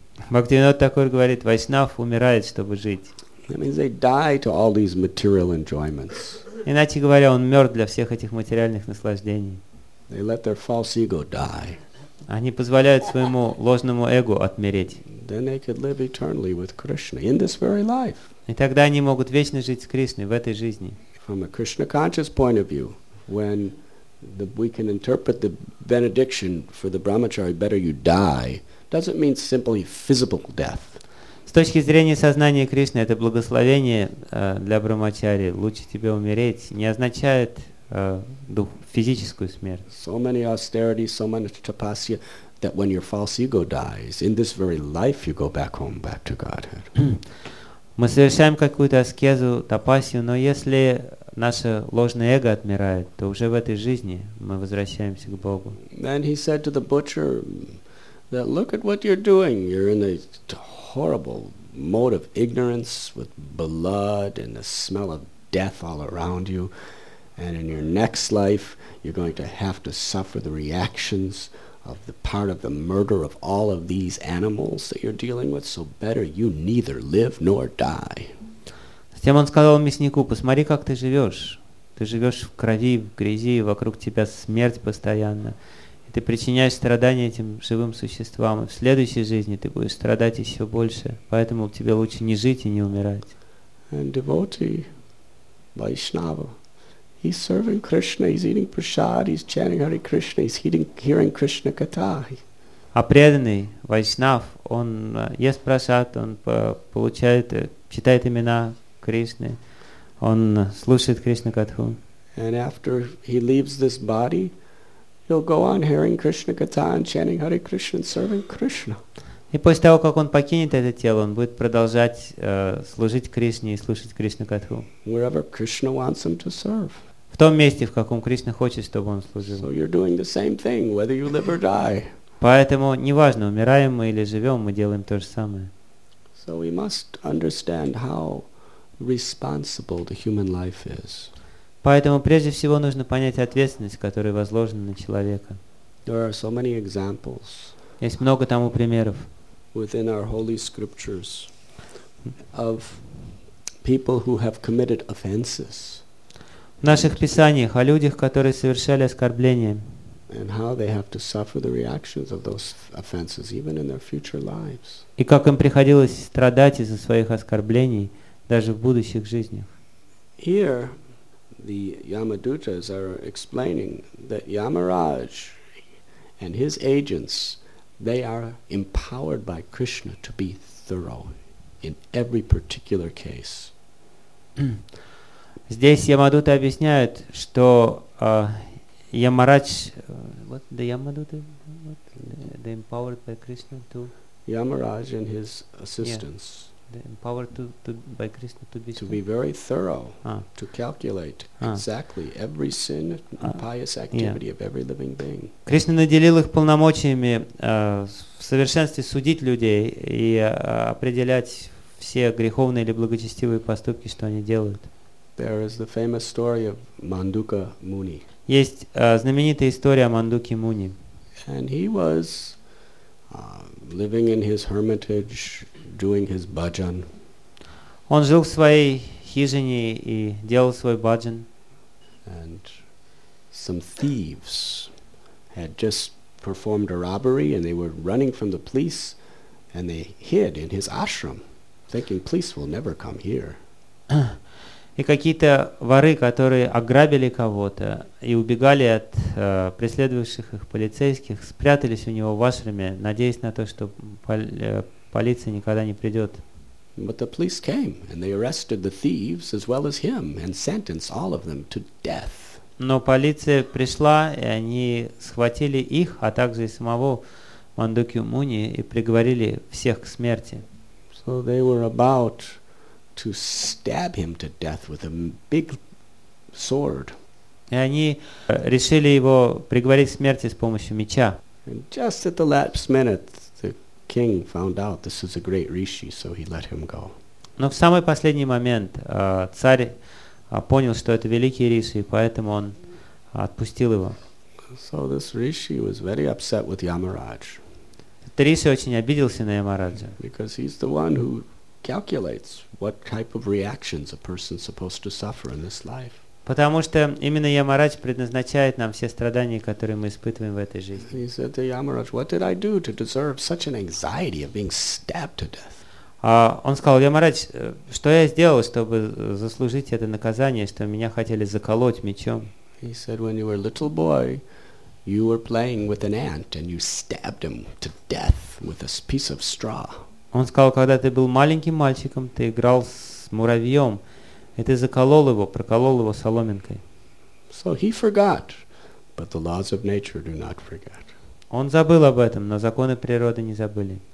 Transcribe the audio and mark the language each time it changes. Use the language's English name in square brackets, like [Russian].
[Russian] Bhaktivinoda Thakur говорит, вайшнав умирает, чтобы жить. [English] That means they die to all these material enjoyments. [Russian] Иначе говоря, он мертв для всех этих материальных наслаждений. [English] They let their false ego die. [Russian] Они позволяют своему ложному эго отмереть. [English] Then they could live eternally with Krishna in this very life. [Russian] И тогда они могут вечно жить с Кришной в этой жизни. [English] From a Krishna conscious point of view, when we can interpret the benediction for the brahmachari, "Better you die," doesn't mean simply physical death. [Russian] С точки зрения сознания Кришны, это благословение для брахмачари, лучше тебе умереть, не означает физическую смерть. [English] So many austerity, so much tapasya, that when your false ego dies, in this very life you go back home, back to Godhead. [Russian] Мы совершаем какую-то аскезу, тапасью, но если наше ложное эго отмирает, то уже в этой жизни мы возвращаемся к Богу. [English] Then he said to the butcher, that look at what you're doing, you're in a horrible mode of ignorance with blood and the smell of death all around you, and in your next life you're going to have to suffer the reactions of the part of the murder of all of these animals that you're dealing with, so better you neither live nor die. [Russian] Затем он сказал мяснику, посмотри, как ты живешь. Ты живешь в крови, в грязи, и вокруг тебя смерть постоянно. И ты причиняешь страдания этим живым существам. И в следующей жизни ты будешь страдать еще больше. Поэтому тебе лучше не жить и не умирать. [English] And devotee, Vaishnava, he's serving Krishna, he's eating prasad, he's chanting Hare Krishna, he's hearing Krishna katha. [Russian] А преданный, Вайшнав, он ест прасад, он получает, читает имена Кришны, он слушает Кришна катху. [English] And after he leaves this body, he'll go on hearing Krishna katha and chanting Hare Krishna and serving Krishna. [Russian] И после того, как он покинет это тело, он будет продолжать служить Кришне и слушать Кришна катху. [English] Wherever Krishna wants him to serve. [Russian] В том месте, в каком Кришна хочет, чтобы он служил. [English] So you're doing the same thing, whether you live or die. [Russian] Поэтому неважно, умираем мы или живем, мы делаем то же самое. [English] So we must understand how responsible the human life is. [Russian] Поэтому прежде всего нужно понять ответственность, которая возложена на человека. [English] There are so many examples. [Russian] Есть много тому примеров. [English] Within our holy scriptures of people who have committed offenses. [Russian] В наших писаниях о людях, которые совершали оскорбления. [English] And how they have to suffer the reactions of those offenses even in their future lives. [Russian] И как им приходилось страдать из-за своих оскорблений даже в будущих жизнях. [English] Here the Yamadutas are explaining that Yamaraj and his agents, they are empowered by Krishna to be thorough in every particular case. [Russian] Здесь Ямадута объясняют, что Ямарадж, [English] what the Yamaduta, what they empowered by Krishna to Yamaraj and his assistants. Yeah. Empowered to by Krishna to be strong. To be very thorough, to calculate exactly every sin and pious activity of every living being. [Russian] Krishna наделил их полномочиями в совершенстве судить людей и определять все греховные или благочестивые поступки, что они делают. [English] There is the famous story of Manduka Muni. [Russian] Есть знаменитая история о Мандуке Муни. [English] And he was living in his hermitage, doing his bhajan. [Russian] Он жил в своей хижине и делал свой bhajan. [English] And some thieves had just performed a robbery and they were running from the police and they hid in his ashram, thinking police will never come here. [Russian] И какие-то воры, которые ограбили кого-то и убегали от преследовавших их полицейских, спрятались у него в ашраме, надеясь на то, что полиция никогда не придет. [English] But the police came and they arrested the thieves as well as him and sentenced all of them to death. [Russian] Но полиция пришла, и они схватили их, а также и самого Мандукью Муни, и приговорили всех к смерти. [English] So they were about to stab him to death with a big sword. [Russian] И они решили его приговорить к смерти с помощью меча. [English] And just at the last minute, the king found out this is a great rishi, so he let him go. [Russian] Но в самый последний момент царь понял, что это великий риши, и поэтому он отпустил его. [English] So this rishi was very upset with Yamaraj. [Russian] Этот риши очень обиделся на Ямараджа. [English] Because he's the one who calculates what type of reactions a person is supposed to suffer in this life. [Russian] Потому что именно Ямарадж предназначает нам все страдания, которые мы испытываем в этой жизни. [English] He said to Yamaraj, what did I do to deserve such an anxiety of being stabbed to death? [Russian] Он сказал, Ямарадж, что я сделал, чтобы заслужить это наказание, что меня хотели заколоть мечом? [English] He said, when you were a little boy, you were playing with an ant and you stabbed him to death with a piece of straw. [Russian] Он сказал, когда ты был маленьким мальчиком, ты играл с муравьем, и ты заколол его, проколол его соломинкой. [English] So he forgot, but the laws of nature do not forget. [Russian] Он забыл об этом, но законы природы не забыли.